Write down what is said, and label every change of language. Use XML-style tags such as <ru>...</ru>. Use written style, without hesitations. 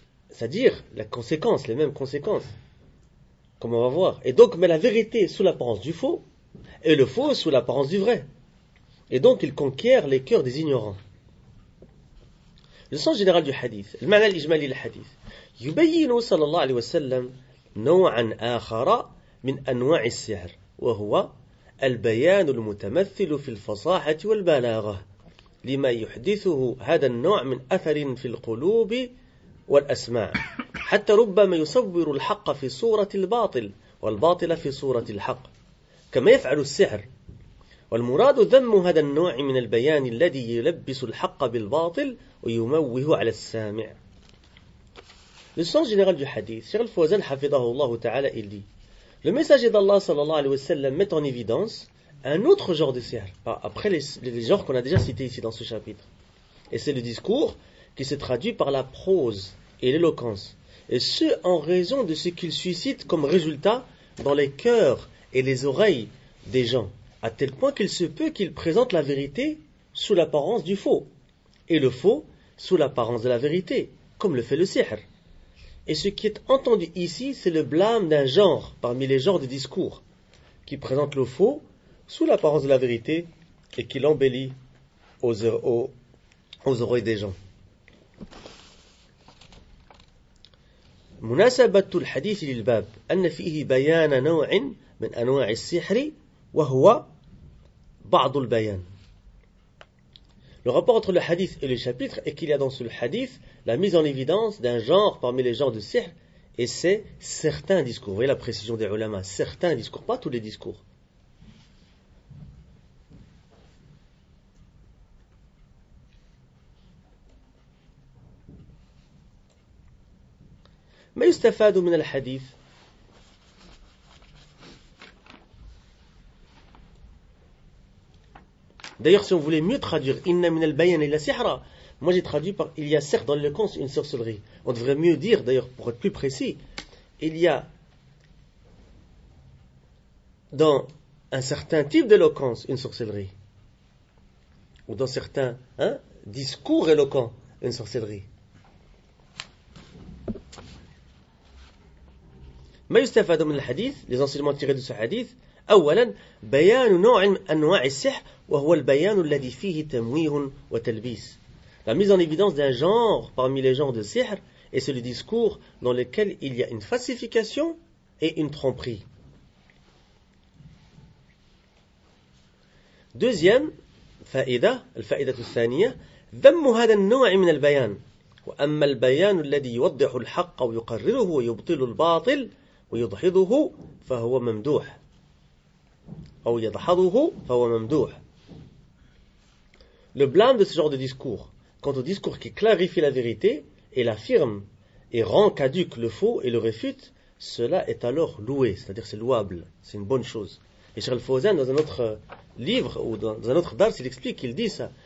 <fr>C'est-à-dire la conséquence, les mêmes conséquences, comme on va voir. Et donc, met la vérité sous l'apparence du faux, et le faux sous l'apparence du vrai. Et donc, il conquiert les cœurs des ignorants. Le sens général du hadith, le ma'na al-ijmali du hadith.</fr> <ar>يبين صلى الله عليه وسلم نوعا آخر من أنواع السحر وهو البيان المتمثل في الفصاحة والبلاغة لما يحدثه هذا النوع من أثر في القلوب والأسماع حتى ربما يصور الحق في صورة الباطل والباطل في صورة الحق كما يفعل السحر والمراد ذم هذا النوع من البيان الذي يلبس الحق بالباطل ويموه على السامع.</ar> <fr>Le sens général du hadith, Cheikh al-Fawzan hafidahullah ta'ala, il dit, le messager d'Allah sallallahu alayhi wa sallam met en évidence un autre genre de sihr, après les genres qu'on a déjà cités ici dans ce chapitre. Et c'est le discours qui se traduit par la prose et l'éloquence. Et ce, en raison de ce qu'il suscite comme résultat dans les cœurs et les oreilles des gens, à tel point qu'il se peut qu'il présente la vérité sous l'apparence du faux, et le faux sous l'apparence de la vérité, comme le fait le sihr. Et ce qui est entendu ici, c'est le blâme d'un genre parmi les genres de discours qui présente le faux sous l'apparence de la vérité et qui l'embellit aux oreilles des gens.</fr> <ar>مناسبة الحديث للباب أن فيه بيان نوع من أنواع السحر وهو بعض البيان.</ar> <fr>Le rapport entre le hadith et le chapitre est qu'il y a dans ce hadith la mise en évidence d'un genre parmi les genres de sihr, et c'est certains discours. Vous voyez la précision des ulama, certains discours, pas tous les discours.</fr> <ar>ما يستفاد من الحديث؟</ar> <fr>D'ailleurs, si on voulait mieux traduire «</fr> <ar>inna min al-bayan ila sihra</ar> <fr>», moi j'ai traduit par « il y a certes dans l'éloquence une sorcellerie ». On devrait mieux dire, d'ailleurs, pour être plus précis, « il y a dans un certain type d'éloquence une sorcellerie » ou « dans certains discours éloquents une sorcellerie ».</fr> <ar>ما يستفاد من الحديث؟</ar> <fr>Les enseignements tirés de ce hadith.</fr> <ar>أولا بيان نوع أنواع السحر وهو البيان الذي فيه تمويه وتلبيس.</ar> <fr>La mise en évidence d'un genre parmi les genres de sihr et c'est le discours dans lequel il y a une falsification et une tromperie. Deuxième</fr> <ar>فائدة, الفائدة الثانية, ذم هذا النوع من البيان وأما البيان الذي يوضح الحق ويقرره ويبطل الباطل ويدحضه فهو ممدوح أو يدحضه فهو ممدوح.</ar> <fr>Le blâme de ce genre de discours, quant au discours qui clarifie la vérité et l'affirme et rend caduque le faux et le réfute, cela est alors loué, c'est-à-dire c'est louable, c'est une bonne chose. Et Cheikh Al-Fawzan, dans un autre livre ou dans un autre dars, il explique, il dit ça.</fr>